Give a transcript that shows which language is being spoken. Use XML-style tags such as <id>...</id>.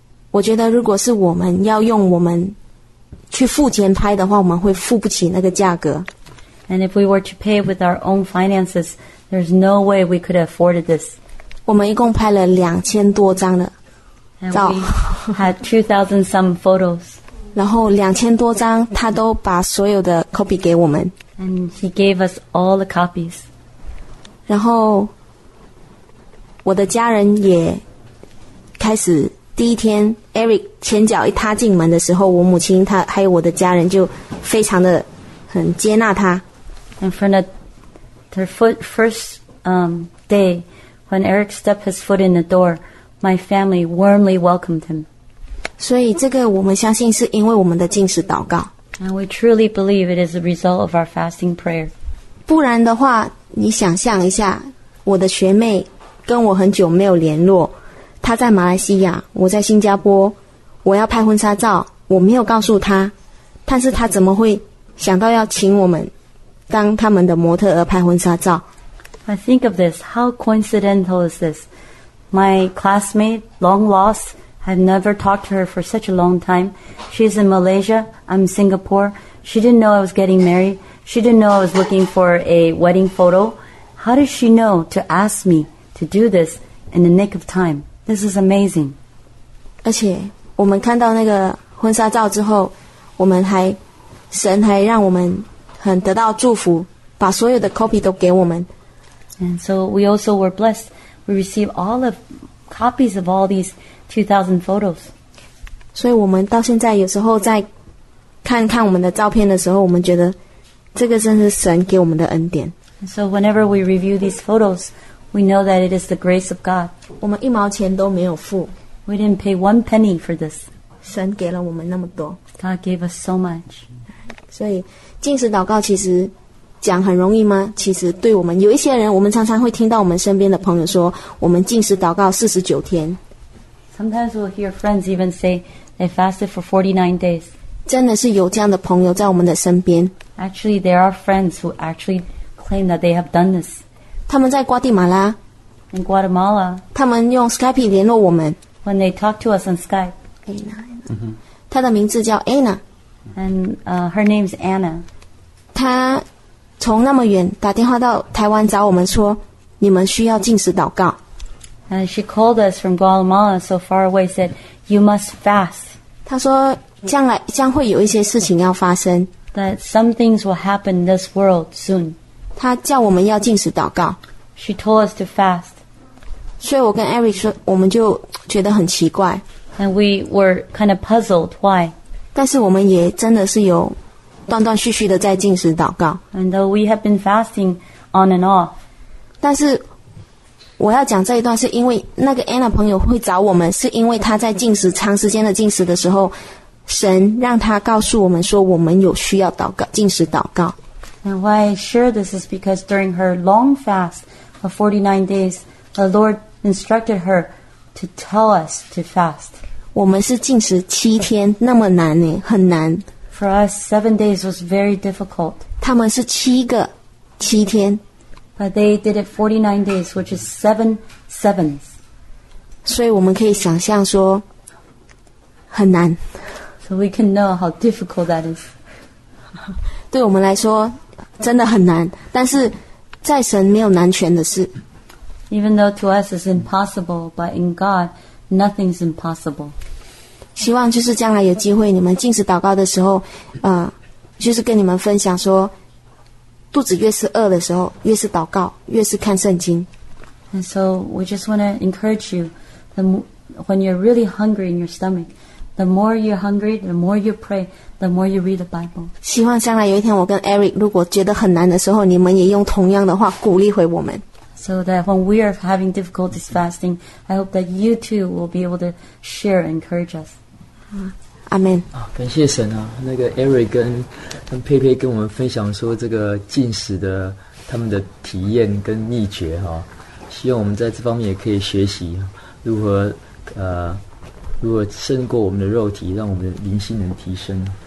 <zh>我觉得如果是我们要用我们去付钱拍的话，我们会付不起那个价格。</zh> <en>And if we were to pay with our own finances, there's no way we could afford this.</en> <zh>我们一共拍了2000多张的照。</zh> <en>And we had 2,000 some photos.</en> <zh>然后2000多张他都把所有的 copy 给我们。</zh> <en>And he gave us all the copies.</en> <zh>然后我的家人也开始第一天 Eric 前脚一踏进门的时候我母亲他还有我的家人就非常的很接纳他</zh> <en>And from the first day when Eric stepped his foot in the door my family warmly welcomed him</en> <zh>所以这个我们相信是因为我们的禁食祷告</zh> <en>And we truly believe it is a result of our fasting prayer</en> <zh>不然的话你想象一下我的学妹跟我很久没有联络她在马来西亚我在新加坡我要拍婚纱照我没有告诉她但是她怎么会想到要请我们当他们的模特儿拍婚纱照</zh> <en>I think of this How coincidental is this My classmate long lost I've never talked to her for such a long time She's in Malaysia I'm Singapore She didn't know I was getting marriedShe didn't know I was looking for a wedding photo. How did she know to ask me to do this in the nick of time? This is amazing.</en> <zh>而且我们看到那个婚纱照之后，我们还神还让我们很得到祝福，把所有的 copy 都给我们。</zh> <en>And so we also were blessed. We received all the copies of all these 2,000 photos.</en> <zh>所以我们到现在有时候在看看我们的照片的时候，我们觉得。这个真是神给我们的恩典。</zh> <en>So whenever we review these photos, we know that it is the grace of God.</en> <zh>我们一毛钱都没有付。</zh> <en>We didn't pay one penny for this.</en> <zh>神给了我们那么多。</zh> <en>God gave us so much.</en> <zh>所以禁食祷告其实讲很容易吗？其实对我们有一些人，我们常常会听到我们身边的朋友说，我们禁食祷告49天。</zh> <en>Sometimes we'll hear friends even say they fasted for 49 days.</en> <zh>真的是有这样的朋友在我们的身边。</zh> <en>Actually, there are friends who actually claim that they have done this.</en> <zh>他们在瓜地马拉。</zh> <en>In Guatemala.</en> <zh>他们用 Skype 联络我们。</zh> <en>When they talk to us on Skype.</en> <zh>Anna. 她的名字叫 Anna.</zh> <en>And her name is Anna.</en> <zh>她从那么远打电话到台湾找我们说，你们需要禁食祷告。</zh> <en>And she called us from Guatemala, so far away, said, you must fast.</en> <zh>她说将来将会有一些事情要发生。</zh> <en>That some things will happen in this world soon.</en> <zh>他叫我们要禁食祷告。</zh> <en>She told us to fast.</en> <zh>所以我跟 Eric 说，我们就觉得很奇怪。</zh> <en>And we were kind of puzzled why.</en> <zh>但是我们也真的是有断断续续的在禁食祷告。</zh> <en>And though we have been fasting on and off.</en> <zh>但是我要讲这一段是因为那个 Anna 朋友会找我们，是因为他在禁食长时间的禁食的时候。神让他告诉我们说我们有需要祷告禁食祷告</zh> <en>And why I share this is because during her long fast of 49 days the Lord instructed her to tell us to fast</en> <zh>我们是禁食7天那么难耶很难</zh> <en>For us 7 days was very difficult</en> <zh>他们是7天</zh> <en>But they did it 49 days which is 7 sevens</en> <zh>所以我们可以想象说很难</zh> <en>So we can know how difficult that is.</en> <zh>对我们来说真的很难但是在神没有难全的事</zh> <en>Even though to us it's impossible, but in God, nothing's impossible.</en> <zh>希望就是将来有机会你们禁食祷告的时候就是跟你们分享说肚子越是饿的时候越是祷告越是看圣经</zh> <en>And so we just want to encourage you that when you're really hungry in your stomach,The more you're hungry, the more you pray, the more you read the Bible.</en> <zh>希望将来有一天我跟 Eric 如果觉得很难的时候你们也用同样的话鼓励回我们。</zh> <en>So that when we are having difficulties fasting, I hope that you too will be able to share and encourage us.</en> <zh>阿们、啊、感谢神啊。那个 Eric 跟佩佩跟我们分享说这个禁食的他们的体验跟秘诀哈、啊，希望我们在这方面也可以学习如何如果胜过我们的肉体，让我们的灵性能提升。</zh>